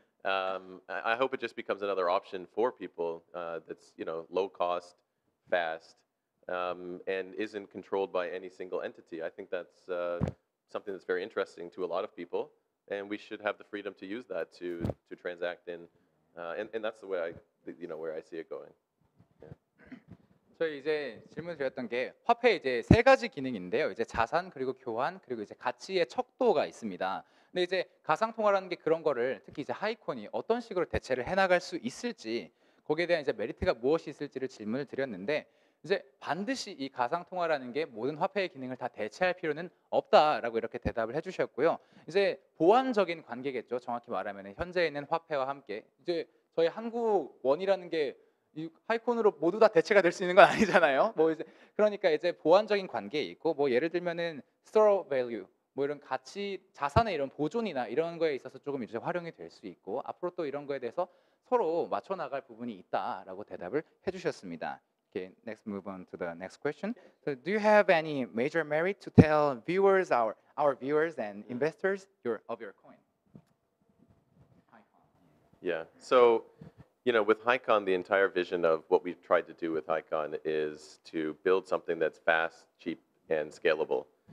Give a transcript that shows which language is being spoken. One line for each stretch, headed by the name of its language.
English: I hope it just becomes another option for people that's, you know, low cost, fast, and isn't controlled by any single entity. I think that's something that's very interesting to a lot of people. and we should have the freedom to use that to transact in, and that's the way I, you know, where I see it going. Yeah.
Korean: 저희 이제 질문 드렸던 게 화폐 이제 세 가지 기능인데요. 이제 자산 그리고 교환 그리고 이제 가치의 척도가 있습니다. 근데 이제 가상통화라는 게 그런 거를 특히 이제 하이콘이 어떤 식으로 대체를 해나갈 수 있을지 거기에 대한 이제 메리트가 무엇이 있을지를 질문을 드렸는데 이제 반드시 이 가상통화라는 게 모든 화폐의 기능을 다 대체할 필요는 없다라고 이렇게 대답을 해주셨고요. 이제 보완적인 관계겠죠. 정확히 말하면 현재 있는 화폐와 함께 이제 저희 한국 원이라는 게 이 하이콘으로 모두 다 대체가 될 수 있는 건 아니잖아요. 뭐 이제 그러니까 이제 보완적인 관계 있고 뭐 예를 들면은 store value 뭐 이런 가치 자산의 이런 보존이나 이런 거에 있어서 조금 이제 활용이 될 수 있고 앞으로 또 이런 거에 대해서 서로 맞춰 나갈 부분이 있다라고 대답을 해주셨습니다.
English: Okay, next move on to the next question. So, do you have any major merit to tell viewers, our viewers and investors, your coin? Yeah. So, you know, with HiCon, the entire vision of what we've tried to do with HiCon is to build something that's fast, cheap, and scalable.